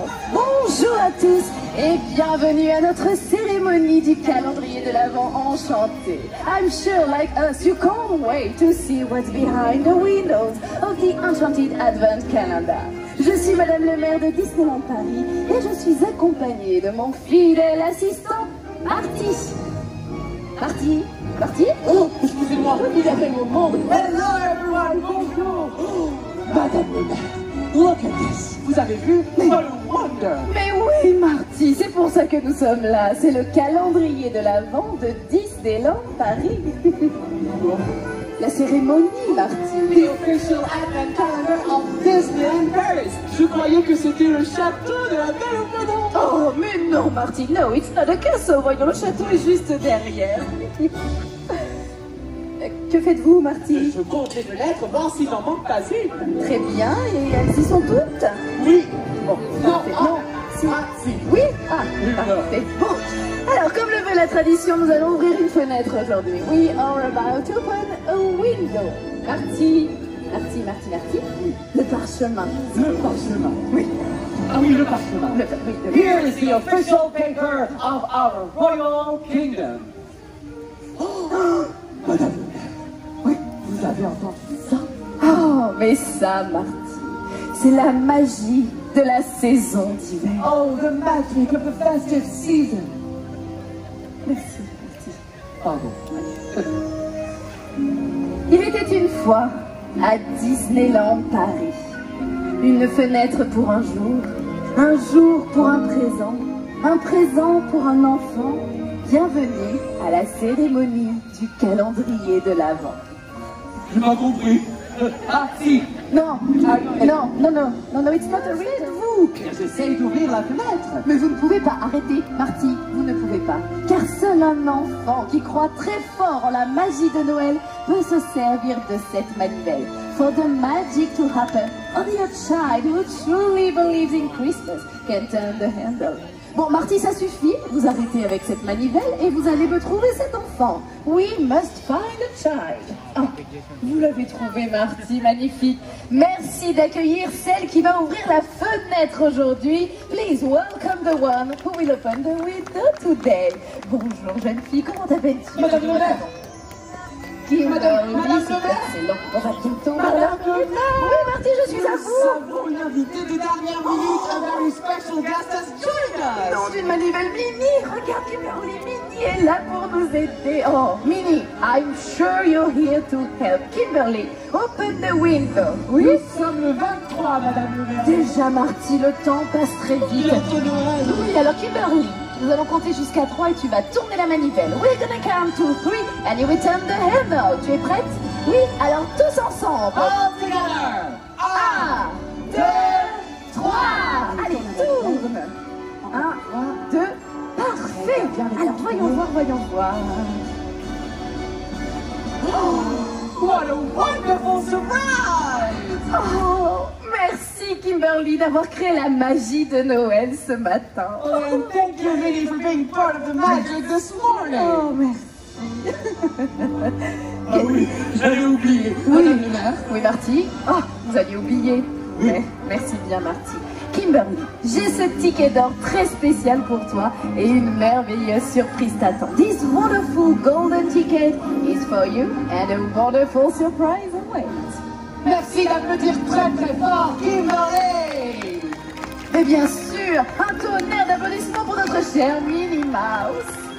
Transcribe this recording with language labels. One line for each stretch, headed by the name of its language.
French: Bonjour à tous et bienvenue à notre cérémonie du calendrier de l'Avent enchanté.
English: I'm sure like us you can't wait to see what's behind the windows of the Enchanted Advent Calendar.
French: Je suis Madame le maire de Disneyland Paris et je suis accompagnée de mon fidèle assistant, Marty. Marty? Marty? Oh, excusez-moi, il y avait mon monde.
English: Hello everyone, bonjour. Madame le maire, look at this.
French: Vous avez vu?
English: What a wonder.
French: Mais oui, Marty, c'est pour ça que nous sommes là. C'est le calendrier de l'Avent de Disneyland Paris. La cérémonie, Marty.
English: The official advent calendar of Disneyland Paris.
French: Je croyais que c'était le château de la Belle au Bois Dormant. Oh, mais non,
English: Marty, no, it's not a castle.
French: Voyons, le château est juste derrière. Que faites-vous, Marty? Je compte les lettres, voir s'il n'en manque pas une. Très bien, et elles y sont toutes? Oui. Bon, non, non, Oui, parfait. Bon, alors comme le veut la tradition, nous allons ouvrir une fenêtre aujourd'hui.
English: We are about to open a window. Parti.
French: Oui. Le parchemin. Oui. Ah oui, le parchemin.
English: Here is the official paper of our royal kingdom.
French: Oh, madame. Oui, vous avez entendu ça? Oh, mais ça, Marty, c'est la magie de la saison d'hiver.
English: Oh, the magic of the festive season.
French: Merci, Marty. Pardon. Il était une fois à Disneyland Paris. Une fenêtre pour un jour. Un jour pour un présent. Un présent pour un enfant. Bienvenue à la cérémonie du calendrier de l'Avent. Tu m'as compris. Parti.
English: Non, it's not a
French: reason. Faites-vous. J'essaie d'ouvrir la fenêtre. Mais vous ne pouvez pas arrêter, Marty. Vous ne pouvez pas. Car seul un enfant qui croit très fort en la magie de Noël peut se servir de cette manivelle.
English: For the magic to happen, only a child who truly believes in Christmas can turn the handle.
French: Bon, Marty, ça suffit. Vous arrêtez avec cette manivelle et vous allez me trouver cet enfant.
English: We must find a child.
French: Oh, vous l'avez trouvé, Marty. Magnifique. Merci d'accueillir celle qui va ouvrir la fenêtre aujourd'hui.
English: Please welcome the one who will open the window today.
French: Bonjour, jeune fille. Comment t'appelles-tu? Madame Lambert. Qui est Madame Lambert. Excellent. On va bientôt voir la fenêtre. Oui, Marty, je suis à vous. Nous avons une invitée de dernière minute.
English: A very special guest has joined us.
French: Non, d'une manivelle mini. Regarde, Kimberly, Mini est là pour nous aider.
English: Oh, Mini, I'm sure you're here to help. Kimberly, open the window.
French: Oui. Nous sommes le 23, Madame Lambert. Déjà, Marty, le temps passe très vite. Oui, alors Kimberly. Nous allons compter jusqu'à 3 et tu vas tourner la manivelle.
English: We're gonna count to 3 and you will turn the handle.
French: Tu es prête? Oui, alors tous ensemble.
English: All together. 1, 2, 3.
French: Allez, tourne. 1, 2, parfait. Alors voyons voir.
English: Oh, what a wonderful surprise.
French: Merci Kimberly d'avoir créé la magie de Noël ce matin.
English: Oh, and thank you, Minnie, for being part of the magic this morning.
French: Oh, merci. Ah oui, j'allais oublier. Oui, oui, Marty. Oh, vous alliez oublier. Oui. Merci bien, Marty. Kimberly, j'ai ce ticket d'or très spécial pour toi et une merveilleuse surprise t'attend.
English: This wonderful golden ticket is for you and a wonderful surprise awaits.
French: Merci d'applaudir très très fort, Kimberly! Et bien sûr, un tonnerre d'applaudissements pour notre chère Minnie Mouse.